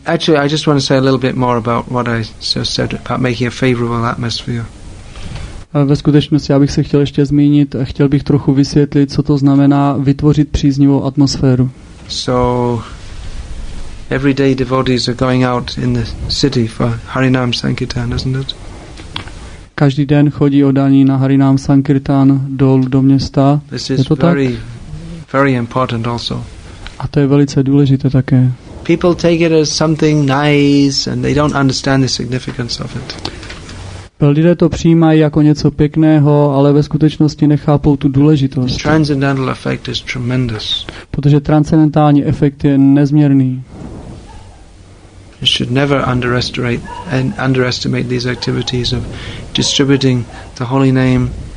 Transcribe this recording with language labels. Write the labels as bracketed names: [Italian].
[English] Actually, I just want to say a little bit more about what I said about making a favorable atmosphere. [Czech] Ve skutečnosti, já bych se chtěl ještě zmínit, chtěl bych trochu vysvětlit, co to znamená vytvořit příznivou atmosféru. [English] So, every day devotees are going out in the city for Harinam Sankirtan, isn't it? [Czech] Každý den chodí oddaní na Harinam Sankirtan dolů do města. [English] This is very, very important also. [Czech] A to je velice důležité také. [English] People take it as something nice and they don't understand the significance of it. [Czech] Lidé to přijímají jako něco pěkného, ale ve skutečnosti nechápou tu důležitost. [English] The transcendental effect is tremendous. [Czech] Protože transcendentální efekt je nezměrný. [English] You should never underestimate these activities of distributing the holy name.